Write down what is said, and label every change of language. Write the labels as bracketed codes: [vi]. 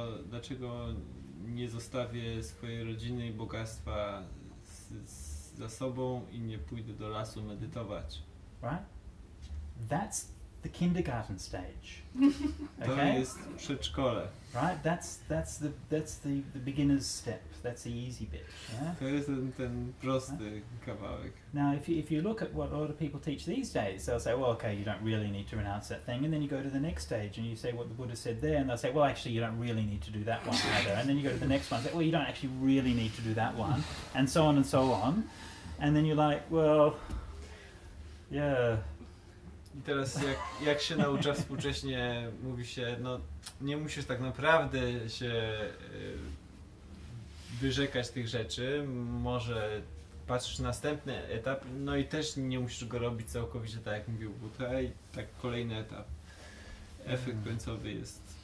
[pl] Dlaczego nie zostawię swojej rodziny i bogactwa za sobą i nie pójdę do lasu medytować? [en] Right? That's the kindergarten stage. [pl] To okay? Jest przedszkole. [en] Right? That's the beginner's step. That's the easy bit. Yeah? [pl] To jest ten prosty kawałek. [en] Now, if you look at what a lot of people teach these days, they'll say, well, okay, you don't really need to renounce that thing. And then you go to the next stage and you say what the Buddha said there. And they'll say, well, actually, you don't really need to do that one either. And then you go to the next one and say, well, you don't actually really need to do that one. And so on and so on. And then you're like, well, yeah. [pl] I teraz jak się naucza współcześnie, mówi się, no nie musisz tak naprawdę się wyrzekać tych rzeczy, może patrzysz na następny etap, no i też nie musisz go robić całkowicie tak jak mówił Buddha, i tak kolejny etap, efekt końcowy jest.